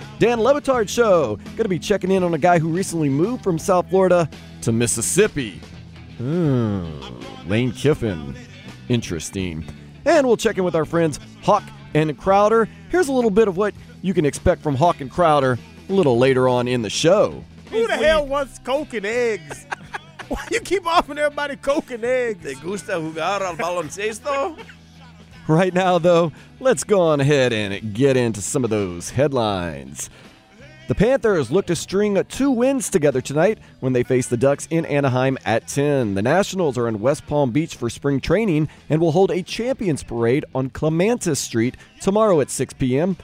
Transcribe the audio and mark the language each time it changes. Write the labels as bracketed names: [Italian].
[English] Dan Le Batard Show, going to be checking in on a guy who recently moved from South Florida to Mississippi. Lane Kiffin. Interesting. And we'll check in with our friends Hawk and Crowder. Here's a little bit of what you can expect from Hawk and Crowder a little later on in the show. Who the hell wants Coke and eggs? Why you keep offering everybody Coke and eggs? [Spanish] ¿Te gusta jugar al baloncesto? [English] Right now, though, let's go on ahead and get into some of those headlines. The Panthers look to string two wins together tonight when they face the Ducks in Anaheim at 10. The Nationals are in West Palm Beach for spring training and will hold a champions parade on Clematis Street tomorrow at 6 p.m.